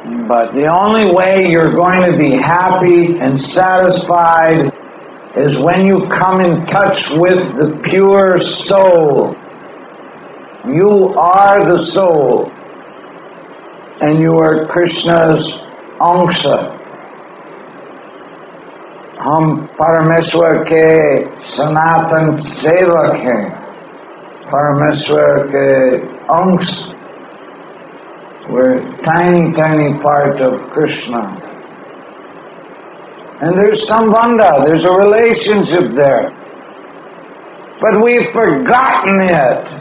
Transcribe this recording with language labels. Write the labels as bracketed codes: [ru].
[en] But the only way you're going to be happy and satisfied is when you come in touch with the pure soul. You are the soul, and you are Krishna's ansha. [hi] हम परमेश्वर के सनातन सेवक हैं। परमेश्वर के अंश। [en] We're a tiny, tiny part of Krishna. And there's sambandha, there's a relationship there. But we've forgotten it.